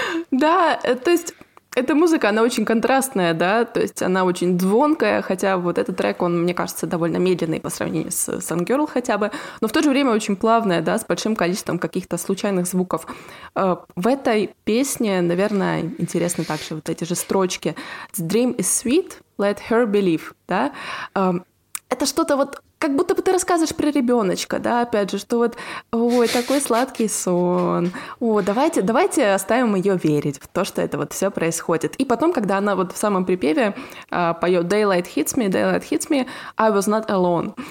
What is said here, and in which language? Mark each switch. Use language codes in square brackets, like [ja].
[ru] Да, то есть эта музыка, она очень контрастная, да, то есть она очень звонкая, хотя вот этот трек, он, мне кажется, довольно медленный по сравнению с Sun Girl хотя бы, но в то же время очень плавная, да, с большим количеством каких-то случайных звуков. В этой песне, наверное, интересны также вот эти же строчки. [en] Dream is sweet, let her believe, да. [ru] Это что-то вот, как будто бы ты рассказываешь про ребеночка, да, опять же, что вот, ой, такой сладкий сон, о, давайте оставим ее верить в то, что это вот все происходит. И потом, когда она вот в самом припеве поет [en] daylight hits me, I was not alone.